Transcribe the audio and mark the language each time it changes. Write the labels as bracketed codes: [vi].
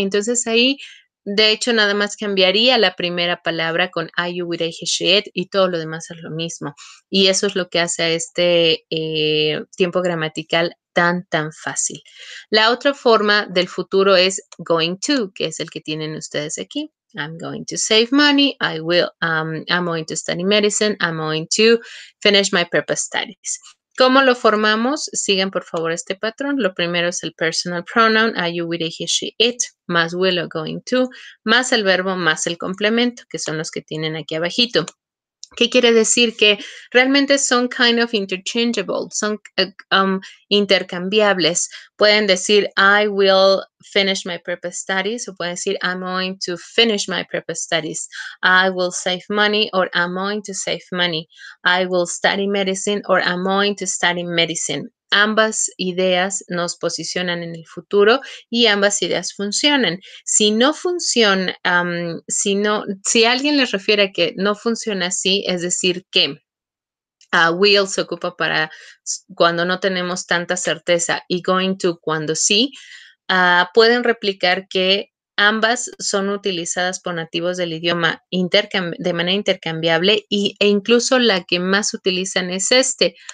[es] Entonces ahí, de hecho, nada más cambiaría la primera palabra con [en] I, you, we, they, he, she, it, [es] y todo lo demás es lo mismo. Y eso es lo que hace a este tiempo gramatical tan, tan fácil. La otra forma del futuro es going to, que es el que tienen ustedes aquí. [en] I'm going to save money, I will, I'm going to study medicine, I'm going to finish my prep studies. [es] ¿Cómo lo formamos? Sigan por favor este patrón. Lo primero es el [en] personal pronoun, I, you, we, he, she, it, [es] más will o going to, más el verbo, más el complemento, que son los que tienen aquí abajito. ¿Qué quiere decir? Que realmente son [en] kind of interchangeable, [es] son intercambiables. Pueden decir, [en] I will finish my prep studies, [es] o pueden decir, [en] I'm going to finish my prep studies. I will save money, or I'm going to save money. I will study medicine, or I'm going to study medicine. [es] Ambas ideas nos posicionan en el futuro y ambas ideas funcionan. Si no funciona, si alguien les refiere a que no funciona así, es decir, que will se ocupa para cuando no tenemos tanta certeza y going to cuando sí, pueden replicar que ambas son utilizadas por nativos del idioma de manera intercambiable e incluso la que más utilizan es este,